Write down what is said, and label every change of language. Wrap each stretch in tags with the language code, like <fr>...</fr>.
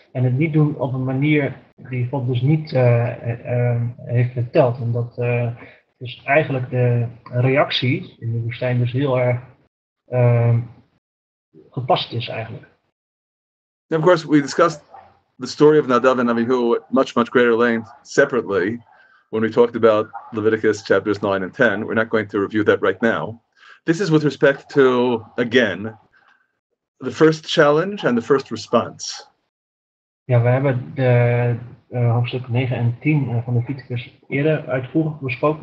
<nl>En het niet doen op een manier die God dus niet heeft verteld. Omdat dus eigenlijk de reactie in de woestijn dus heel erg gepast is eigenlijk.</nl> <en>Of course, we discussed the story of Nadav and Abihu at much, much greater length separately when we talked about Leviticus chapters 9 and 10. We're not going to review that right now. This is with respect to, again, the first challenge and the first response.</en> <nl>Ja, we hebben de hoofdstuk 9 en 10 van Leviticus eerder uitvoerig besproken.</nl>